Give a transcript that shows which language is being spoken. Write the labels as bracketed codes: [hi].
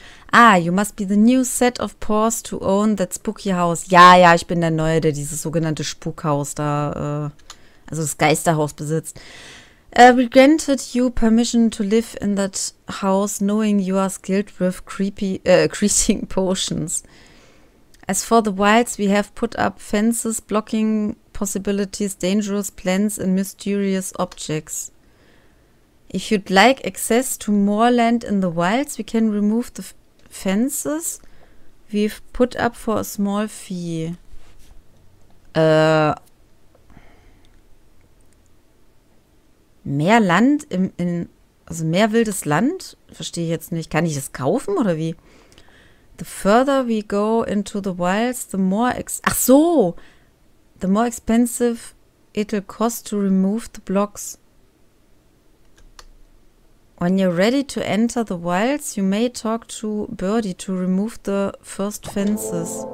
[en] Ah, you must be the new set of paws to own that spooky house. [de] Ja, ja, ich bin der Neue, der dieses sogenannte Spukhaus da, also das Geisterhaus besitzt. [en] We granted you permission to live in that house, knowing you are skilled with creepy, creating potions. As for the wilds, we have put up fences, blocking possibilities, dangerous plants and mysterious objects. If you'd like access to more land in the wilds, we can remove the fences we've put up for a small fee. [de] Mehr Land im, also mehr wildes Land? Verstehe ich jetzt nicht. Kann ich das kaufen oder wie? [en] The further we go into the wilds, the more the more expensive it'll cost to remove the blocks. When you're ready to enter the wilds, you may talk to Birdie to remove the first fences.